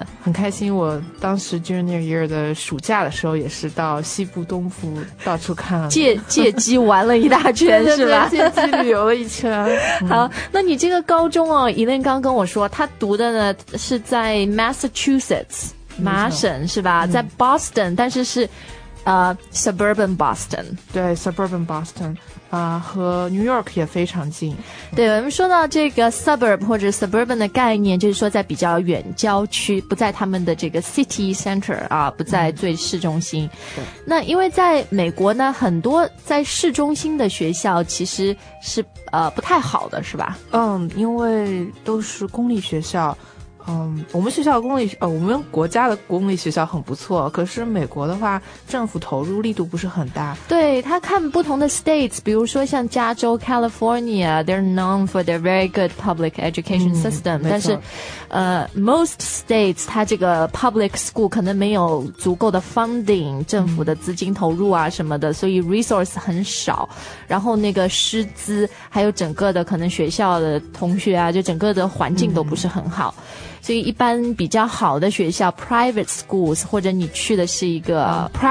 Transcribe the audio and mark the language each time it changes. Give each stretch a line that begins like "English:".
Chinese: 嗯、很开心。我当时 junior year 的暑假的时候也是到西部东部到处看，借机玩了一大圈。对对对，是吧？借机旅游了一圈。好，那你这个高中哦，伊琳刚跟我说他读的呢是在 Massachusetts 麻省是吧、嗯、在 Boston， 但是是
English: Suburban Boston，
Chinese: 对 Suburban Boston 啊、和 New York 也非常近。对，我们说到这个 suburb 或者 suburban 的概念，就是说在比较远郊区，不在他们的这个 city center 啊，不在最市中心。对，那因为在美国呢，很多在市中心的学校其实是不太好的，是吧？嗯，因为都是公立学校。嗯，我们学校公立我们国家的公立学校很不错，可是美国的话政府投入力度不是很大。对，他看不同的 states， 比如说像加州
English: California， they're known for their very good public education system、
Chinese: 嗯、但是most states 他这个 public school 可能没有足够的 funding， 政府的资金投入啊什么的、嗯、所以 resource 很少，然后那个师资还有整个的可能学校的同学啊，就整个的环境都不是很好、嗯，所以一般比较好的学校 private schools 或者你去的是一个、